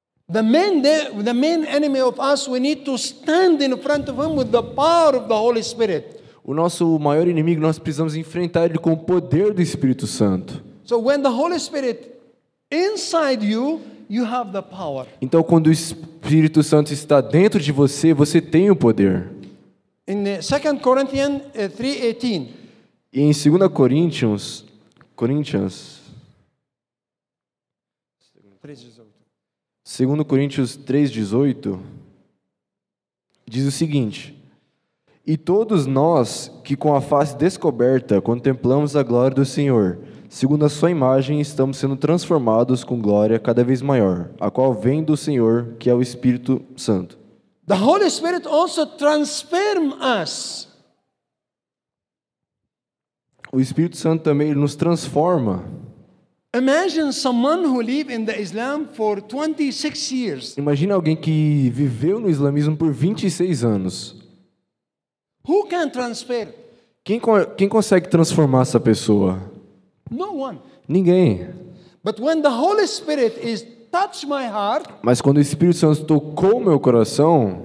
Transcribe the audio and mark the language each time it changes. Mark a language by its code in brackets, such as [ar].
[en] The main enemy of us, we need to stand in front of him with the power of the Holy Spirit. [pt] O nosso maior inimigo nós precisamos enfrentar ele com o poder do Espírito Santo. [en] So when the Holy Spirit inside you, you have the power. [pt] Então quando o Espírito Santo está dentro de você, você tem o poder. [en] In 2 Corinthians 3:18. [pt] E em 2 Coríntios 2 Coríntios 3:18 diz o seguinte: e todos nós que com a face descoberta contemplamos a glória do Senhor, segundo a sua imagem, estamos sendo transformados com glória cada vez maior, a qual vem do Senhor, que é o Espírito Santo. [en] The Holy Spirit also transforms us. [pt] O Espírito Santo também nos transforma. [en] Imagine someone who lived in the Islam for 26 years. [pt] Imagine alguém que viveu no islamismo por 26 anos. [en] Who can transfer? [pt] Quem consegue transformar essa pessoa? [en] No one. [pt] Ninguém. [en] But when the Holy Spirit is touch my heart, [pt] mas quando o Espírito Santo tocou meu coração,